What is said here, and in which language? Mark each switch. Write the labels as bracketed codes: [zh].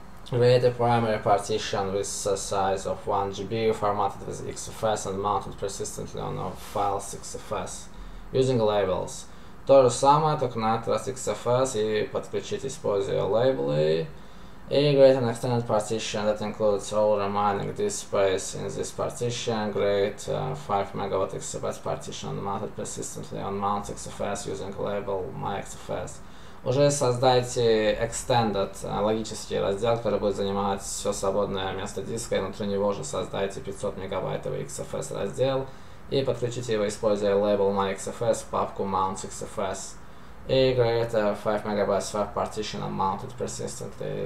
[en] Create a primary partition with a size of 1 GB, formatted with XFS and mounted persistently on a file XFS using labels. [ru] То же самое, только на этот раз XFS и подключить, используя лейблы. [en] И create an extended partition that includes all remaining disk space in this partition. Create a 5 MW XFS partition mounted persistently on mount XFS using label myXFS. [ru] Уже создайте extended логический раздел, который будет занимать все свободное место диска, и внутри него уже создайте 500 мегабайтовый XFS раздел и подключите его, используя label myXFS в папку mountXFS. [en] И create a 5 MB swap partition and mount it persistently.